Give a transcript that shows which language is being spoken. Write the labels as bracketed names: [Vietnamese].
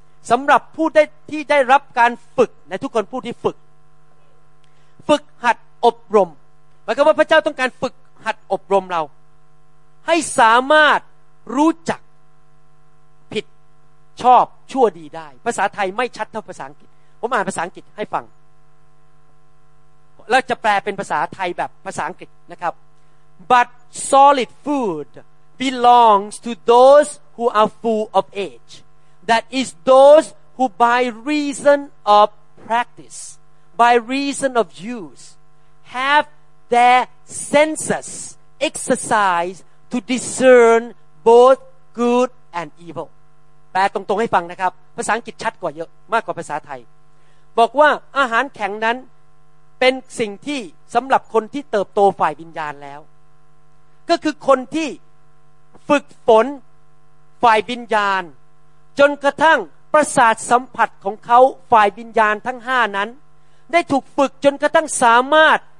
[Thai] สำหรับผู้ได้ที่ได้รับการฝึกในทุกคนผู้ที่ฝึกหัดอบรมหมายความว่าพระเจ้าต้องการฝึกหัดอบรมเราให้สามารถรู้จักผิดชอบชั่วดีได้ภาษาไทยไม่ชัดเท่าภาษาอังกฤษผมอ่านภาษาอังกฤษให้ฟังแล้วจะแปลเป็นภาษาไทยแบบภาษาอังกฤษนะครับ [English] But solid food belongs to those who are full of age. That is those who by reason of practice, by reason of use, have their senses exercised to discern both good and evil. [Thai] แปลตรงๆให้ฟังนะครับภาษาอังกฤษชัดกว่าเยอะมากกว่าภาษาไทยบอกว่าอาหารแข็งนั้นเป็นสิ่งที่สำหรับคนที่เติบโตฝ่ายวิญญาณแล้วก็คือคนที่ฝึกฝนฝ่ายวิญญาณจนกระทั่งประสาทสัมผัสของเขาฝ่ายวิญญาณทั้ง5นั้นได้ถูกฝึกจนกระทั่งสามารถ